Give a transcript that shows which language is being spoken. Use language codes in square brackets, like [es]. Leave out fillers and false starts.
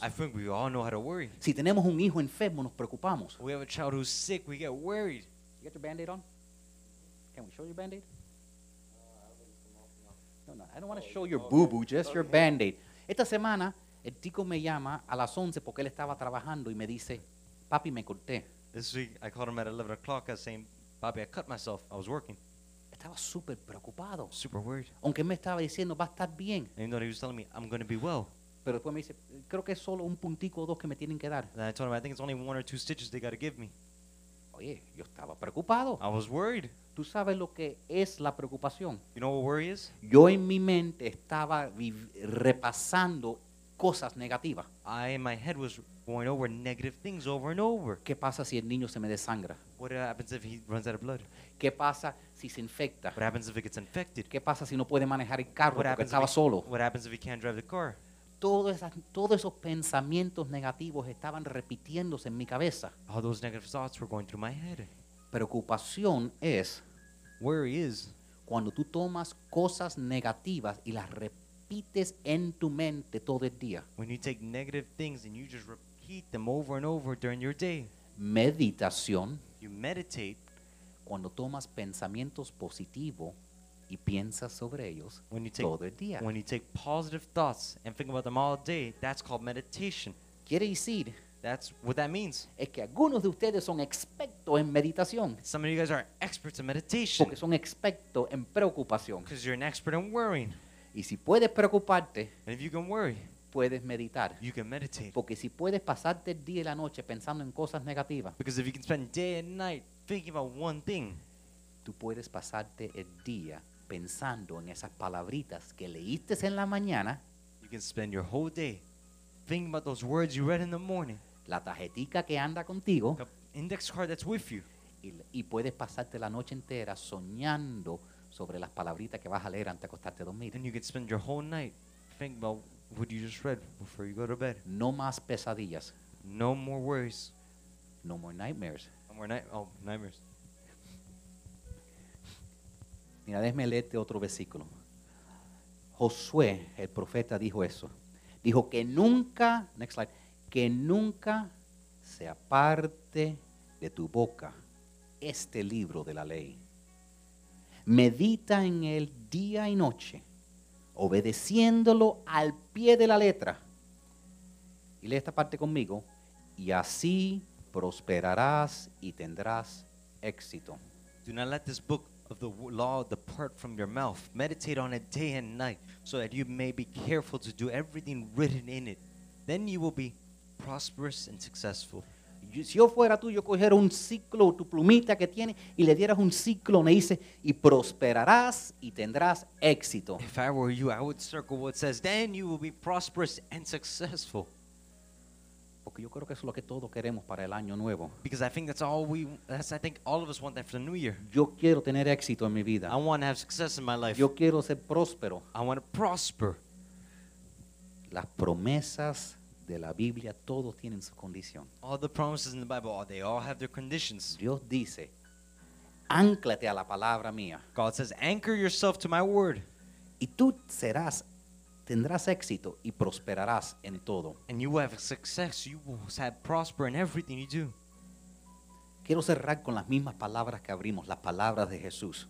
[en] I think we all know how to worry. [es] Si tenemos un hijo enfermo, nos preocupamos. [en] We have a child who's sick, we get worried. You got your band-aid on? Can we show your band-aid? No, I don't want to show your boo-boo, just your band-aid. [es] Esta semana, el tico me llama a las 11 porque él estaba trabajando y me dice, papi, me corté. [en] This week, I called him at 11 o'clock, saying, Bobby, I cut myself. I was working. [es] Estaba super preocupado. [en] Super worried. [es] Aunque me estaba diciendo, va a estar bien. [en] And you know, he was telling me, I'm going to be well. [es] Pero después me dice, creo que es solo un puntico o dos que me tienen que dar. [en] And I told him, I think it's only one or two stitches they got to give me. [es] Oye, yo estaba preocupado. [en] I was worried. [es] ¿Tú sabes lo que es la preocupación? [en] You know what worry is? [es] Yo en mi mente estaba repasando cosas negativas. [en] I in my head was going over negative things over and over. [es] ¿Qué pasa si el niño se me desangra? [en] What happens if he runs out of blood? [es] ¿Qué pasa si se infecta? [en] What happens if it gets infected? [es] ¿Qué pasa si no puede manejar el carro porque estaba solo? [en] What happens if he can't drive the car? [es] Todos esos pensamientos negativos estaban repitiéndose en mi cabeza. [en] All those negative thoughts were going through my head. [es] Preocupación es [en] worry is [es] cuando tú tomas cosas negativas y las repites en tu mente todo el día. [en] When you take negative things and you just repeat them over and over during your day. [es] Meditación. [en] You meditate. [es] Cuando tomas pensamientos positivos y piensas sobre ellos todo el día. [en] When you take positive thoughts and think about them all day, that's called meditation. [es] Quiere decir, [en] that's what that means. [es] Es que algunos de ustedes son expertos en meditación. [en] Some of you guys are experts in meditation. [es] Porque son expertos en preocupación. [en] Because you're an expert in worrying. [es] Y si puedes preocuparte, [en] and if you can worry, [es] puedes meditar. [en] You can meditate. [es] Porque si puedes pasarte el día y la noche pensando en cosas negativas, [en] because if you can spend day and night thinking about one thing, [es] tú puedes pasarte el día pensando en esas palabritas que leíste en la mañana. [en] You can spend your whole day thinking about those words you read in the morning. [es] La tarjetica que anda contigo. [en] The index card that's with you. [es] Y puedes pasarte la noche entera soñando sobre las palabritas que vas a leer antes de acostarte a dormir. [en] And you can spend your whole night thinking about what you just read before you go to bed. [es] No más pesadillas. [en] No more worries. No more nightmares. No more nightmares. [es] Mira, déjame leerte otro versículo. Josué, el profeta, dijo eso. Dijo que nunca, [en] next slide, [es] que nunca se aparte de tu boca este libro de la ley. Medita en él día y noche, obedeciéndolo al pie de la letra. Y lee esta parte conmigo. Y así prosperarás y tendrás éxito. [en] Do not let this book of the law depart from your mouth. Meditate on it day and night, so that you may be careful to do everything written in it. Then you will be prosperous and successful. [es] Si yo fuera tú, yo cogiera un ciclo, tu plumita que tiene, y le dieras un ciclo, me dice, y prosperarás y tendrás éxito. [en] If I were you, I would circle what says, then you will be prosperous and successful. [es] Porque yo creo que eso es lo que todos queremos para el año nuevo. [en] Because I think that's all of us want that for the new year. [es] Yo quiero tener éxito en mi vida. [en] I want to have success in my life. [es] Yo quiero ser próspero. [en] I want to prosper. [es] Las promesas de la Biblia, todos tienen su condición. [en] All the promises in the Bible, they all have their conditions. [es] Dios dice, ánclate a la palabra mía. [en] God says, anchor yourself to my word. [es] Y tú serás tendrás éxito y prosperarás en todo. [en] And you will have success. You will have prosper in everything you do. [es] Quiero cerrar con las mismas palabras que abrimos, las palabras de Jesús.